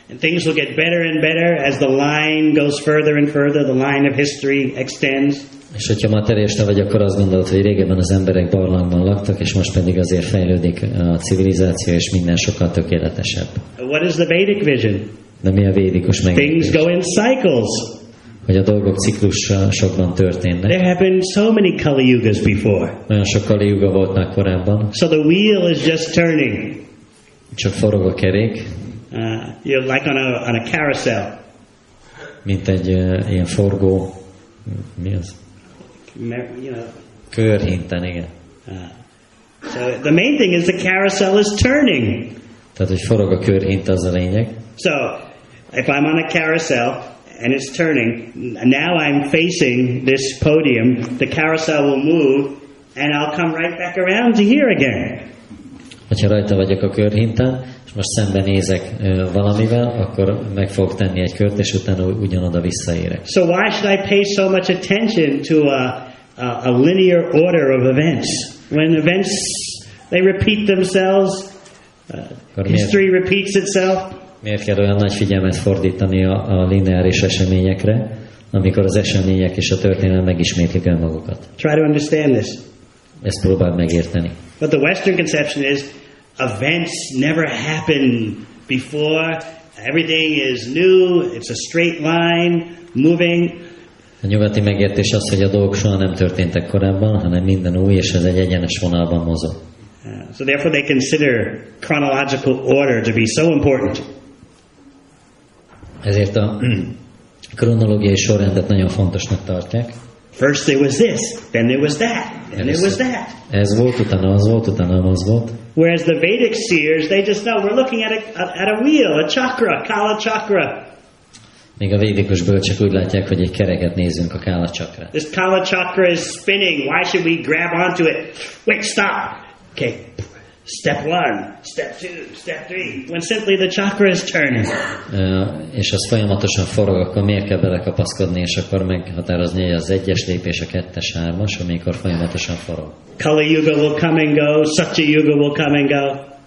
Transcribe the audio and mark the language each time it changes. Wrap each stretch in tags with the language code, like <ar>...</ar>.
<en>And things will get better and better as the line goes further and further, the line of history extends.</en> <hu>És hogyha materialista vagy, akkor azt gondolod, hogy régebben az emberek barlangban laktak, és most pedig azért fejlődik a civilizáció, és minden sokkal tökéletesebb.</hu> <en>What is the Vedic vision?</en> <hu>De mi a védikus megértés?</hu> <en>Things go in cycles.</en> <hu>Hogy a dolgok ciklusokban történnek.</hu> <en>There have been so many Kali Yugas before.</en> <hu>Olyan sok Kali Yuga volt már korábban.</hu> <en>So the wheel is just turning.</en> <hu>Csak forog a kerék.</hu> <en>You're like on a carousel.</en> <hu>Mint egy ilyen forgó, mi az? Körhinten, igen.</hu> <en>So the main thing is the carousel is turning.</en> <hu>Tehát hogy forog a körhint, az a lényeg.</hu> <en>So if I'm on a carousel and it's turning, now I'm facing this podium, the carousel will move and I'll come right back around to here again.</en> <hu>Hogyha rajta vagyok a körhintán, és most szembenézek valamivel, akkor meg fogok tenni egy kört, és utána ugyanoda visszaérek.</hu> <en>So why should I pay so much attention to a linear order of events? When events, they repeat themselves, history repeats itself.</en> <hu>Miért kell olyan nagy figyelmet fordítani a lineáris eseményekre, amikor az események és a történelem megismétlik önmagukat?</hu> <en>Try to understand this.</en> <hu>Ezt próbáld megérteni.</hu> <en>But the Western conception is, events never happen before. Everything is new. It's a straight line moving.</en> <hu>A nyugati megértés az, hogy a dolgok soha nem történtek korábban, hanem minden új, és ez egy egyenes vonalban mozog.</hu> <en>So therefore they consider chronological order to be so important.</en> <hu>Ezért a kronológiai sorrendet nagyon fontosnak tartják.</hu> <en>First there was this, then there was that, then there was that.</en> <hu>Ez volt, utána az volt, utána az volt.</hu> <en>Whereas the Vedic seers, they just know we're looking at a wheel, a chakra, Kala chakra.</en> <hu>Még a védikus bölcsek úgy látják, hogy egy kereket nézünk, a Kala chakra.</hu> <en>This Kala chakra is spinning. Why should we grab onto it? Wait, stop. Okay. Step one, step two, step three. When simply the chakra is turning.</en> <hu>És az folyamatosan forog, akkor miért kell belekapaszkodni, és akkor meghatározni, hogy az egyes lépés, a kettes, hármas, amikor folyamatosan forog.</hu> <en>Kali Yuga will come and go, Satya Yuga will come and go.</en>